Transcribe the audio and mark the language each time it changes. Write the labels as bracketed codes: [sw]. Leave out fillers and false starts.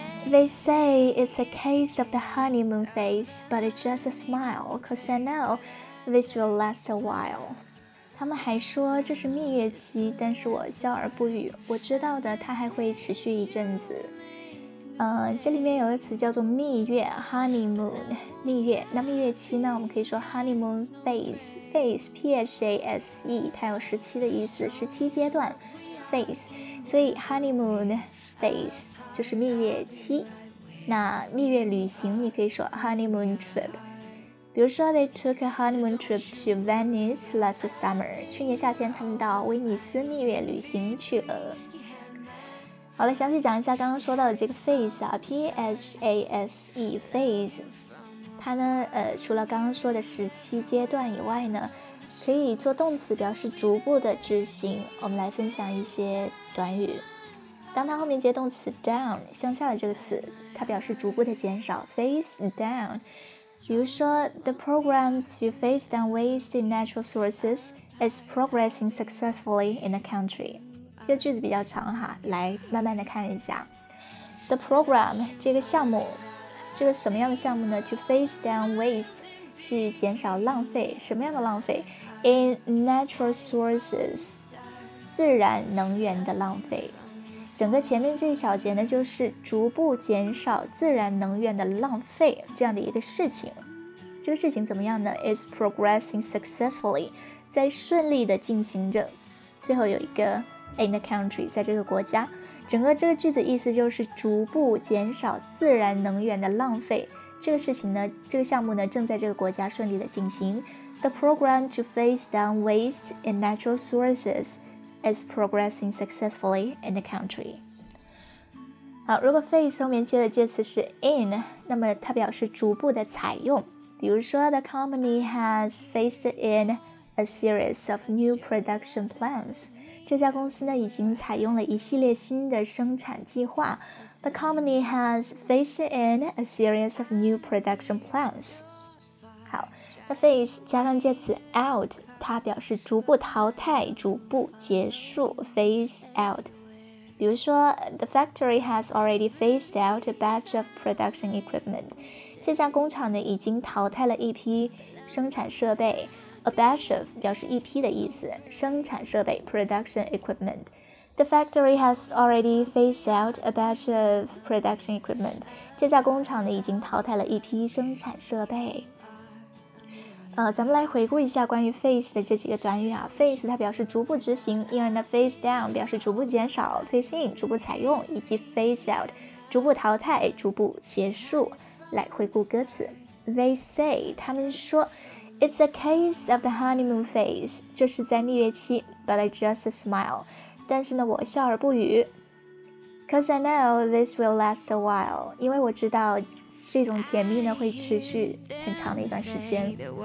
[en] They say it's a case of the honeymoon phase, but it's just a smile, cause I know this will last a while. [zh] 他们还说这是蜜月期，但是我笑而不语，我知道的它还会持续一阵子。这里面有个词叫做蜜月 honeymoon， 蜜月。那蜜月期呢，我们可以说 honeymoon phase， phase， P-H-A-S-E， 它有时期的意思，时期阶段 phase， 所以 honeymoon phase 就是蜜月期。那蜜月旅行你可以说 honeymoon trip。比如说 [en] they took a honeymoon trip to Venice last summer， [zh] 去年夏天他们到威尼斯蜜月旅行去了。好了，详细讲一下刚刚说到的这个 phase 啊， P-H-A-S-E phase， 它呢除了刚刚说的时期阶段以外呢，可以做动词表示逐步的执行。我们来分享一些短语，当它后面接动词 down 向下的这个词，它表示逐步的减少， phase down。比如说 [en] The program to phase down waste in natural sources is progressing successfully in the country。 [zh] 这句子比较长哈，来慢慢的看一下 The program 这个项目，这个什么样的项目呢？ [en] To phase down waste [zh] 去减少浪费，什么样的浪费？ [en] In natural sources [zh] 自然能源的浪费。整个前面这一小节呢，就是逐步减少自然能源的浪费这样的一个事情。这个事情怎么样呢？ [en] It's progressing successfully， [zh] 在顺利的进行着。最后有一个 in the country， 在这个国家。整个这个句子意思就是逐步减少自然能源的浪费，这个事情呢，这个项目呢，正在这个国家顺利的进行。 [en] The program to phase down waste in natural sourcesIs progressing successfully in the country。 [zh] 好，如果 phase 后面接的介词是 in， 那么它表示逐步的采用。比如说 [en] The company has phased in a series of new production plans， [zh] 这家公司呢已经采用了一系列新的生产计划。 [en] The company has phased in a series of new production plans。 [zh] 好，那 phase 加上介词 out，它表示逐步淘汰，逐步结束， phase out。比如说 [en] The factory has already phased out a batch of production equipment， [zh] 这家工厂呢已经淘汰了一批生产设备。 A batch of 表示一批的意思，生产设备 production equipment。 [en] The factory has already phased out a batch of production equipment， [zh] 这家工厂呢已经淘汰了一批生产设备。咱们来回顾一下关于 phase 的这几个短语啊。phase 它表示逐步执行， in a phase down 表示逐步减少， phase in 逐步采用，以及 phase out 逐步淘汰，逐步结束。 [en] 来回顾歌词， They say [zh] 他们说 [en] It's a case of the honeymoon phase， [zh] 这是在蜜月期， [en] But I just smile， [zh] 但是呢我笑而不语。 [en] Cause I know this will last a while， [zh] 因为我知道这种甜蜜呢会持续很长的一段时间。